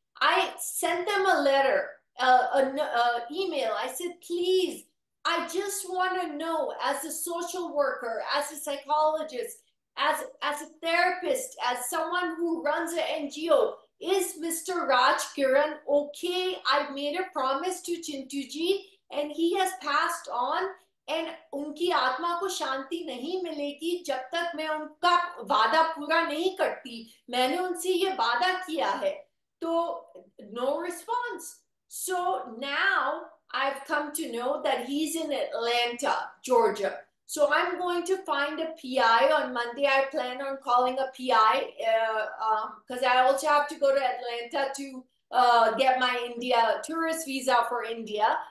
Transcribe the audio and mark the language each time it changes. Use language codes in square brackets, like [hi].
[en] I sent them a letter, an email. I said, please, I just want to know, as a social worker, as a psychologist, As a therapist, as someone who runs an NGO, is Mr. Raj Kiran okay? I've made a promise to Chintuji, and he has passed on, and [hi] उनकी आत्मा को शांति नहीं मिलेगी जब तक मैं उनका वादा पूरा नहीं करती। मैंने उनसे ये वादा किया है। [en] So no response. So now I've come to know that he's in Atlanta, Georgia. So I'm going to find a PI on Monday. I plan on calling a PI because I also have to go to Atlanta to get my India tourist visa for India.